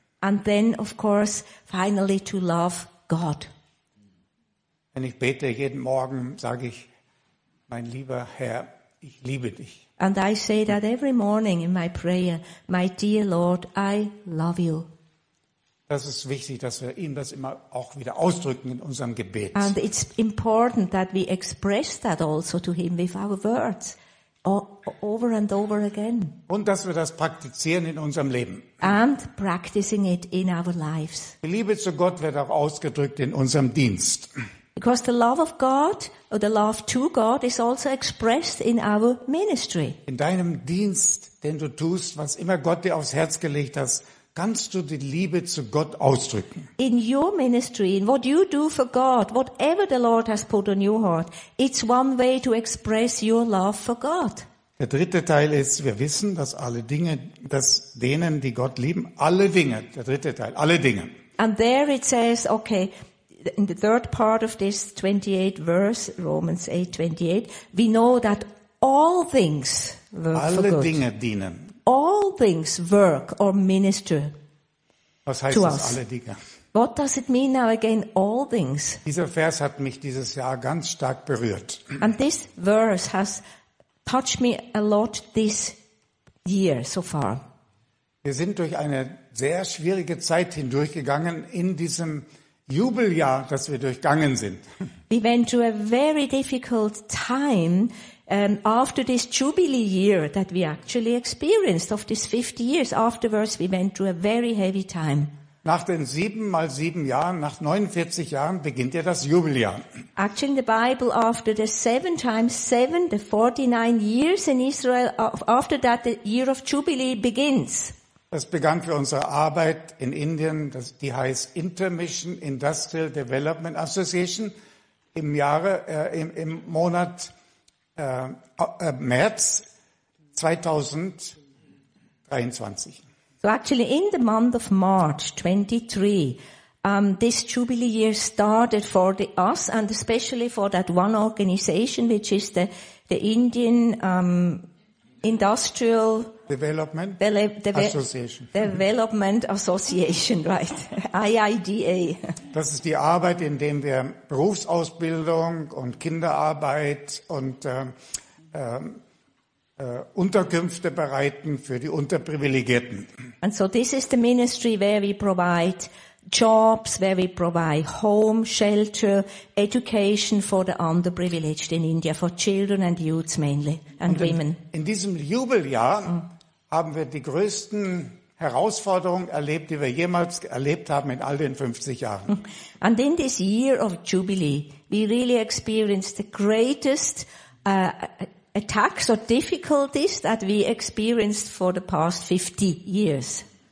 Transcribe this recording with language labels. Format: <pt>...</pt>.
<en>And then, of course, finally to love God.</en> <de>Wenn ich bete jeden Morgen, sage ich, mein lieber Herr, ich liebe dich.</de> <en>And I say that every morning in my prayer, my dear Lord, I love you.</en> <de>Das ist wichtig, dass wir ihm das immer auch wieder ausdrücken in unserem Gebet.</de> <en>And it's important that we express that also to him with our words. Over and over again.</en> <de>Und dass wir das praktizieren in unserem Leben.</de> <en>And practicing it in our lives.</en> <de>Die Liebe zu Gott wird auch ausgedrückt in unserem Dienst.</de> <en>Because the love of God or the love to God is also expressed in our ministry.</en> <de>In deinem Dienst, den du tust, was immer Gott dir aufs Herz gelegt hat, kannst du die Liebe zu Gott ausdrücken.</de> <en>In your ministry, in what you do for God, whatever the Lord has put on your heart, it's one way to express your love for God.</en> <de>Der dritte Teil ist, wir wissen, dass alle Dinge, dass denen, die Gott lieben, alle Dinge, der dritte Teil, alle Dinge.</de> <en>And there it says, okay, in the third part of this 28 verse, Romans 8, 28, we know that all things work for good.</en> <de>Dinge dienen.</de> <en>All things work or minister</en> <de>Was heißt</de> <en>to</en> <de>das,</de> <en>us.</en> <de>Alle Dinge?</de> <en>What does it mean now again, all things?</en> <de>Dieser Vers hat mich dieses Jahr ganz stark berührt.</de> <en>And this verse has touched me a lot this year so far.</en> <de>Wir sind durch eine sehr schwierige Zeit hindurchgegangen in diesem Jubeljahr, das wir durchgangen sind.</de> <en>We went through a very difficult time after this jubilee year that we actually experienced of these 50 years afterwards, we went through a very heavy time.</en> <de>Nach den 7x7 Jahren, nach 49 Jahren, beginnt ja das Jubeljahr.</de> <en>Actually, in the Bible, after the 7x7, the 49 years in Israel, after that, the year of jubilee begins.</en> <de>Es begann für unsere Arbeit in Indien, die heißt Intermission Industrial Development Association, im Jahre, im Monat März 2023.</de> <en>So actually in the month of March 23, this Jubilee year started for us and especially for that one organization, which is the Indian Industrial Development Association. Development Association, right. IIDA.</en> <de>Das ist die Arbeit, in der wir Berufsausbildung und Kinderarbeit und Unterkünfte bereiten für die Unterprivilegierten.</de> <en>And so this is the ministry where we provide jobs, where we provide home, shelter, education for the underprivileged in India, for children and youths mainly, and women.</en> <de>In diesem Jubeljahr haben wir die größten Herausforderungen erlebt, die wir jemals erlebt haben in all den 50 Jahren.</de> <en>And in this year of Jubilee, we really experienced the greatest attacks or difficulties that we experienced for the past 50 years.</en>